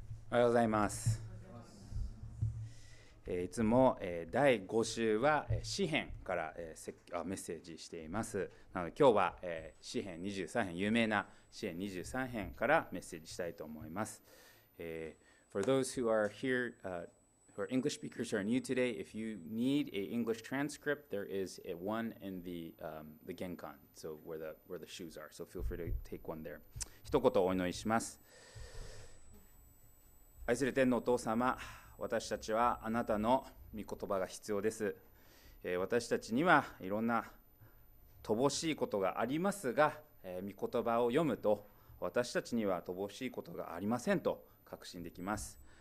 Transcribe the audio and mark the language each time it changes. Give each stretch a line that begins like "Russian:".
Japanese: おはようございます。いつも第5週は詩編からメッセージしています。なので今日は詩編23編、有名な詩編23編からメッセージしたいと思います。
English: For those who are here, who are English speakers who are new today, if you need an English transcript, there is one in the genkan, so where the shoes are, so feel free to take one there.
Japanese: 一言お祈りします。愛する天のお父様、私たちはあなたの御言葉が必要です。私たちにはいろんな乏しいことがありますが、御言葉を読むと私たちには乏しいことがありませんと確信できます。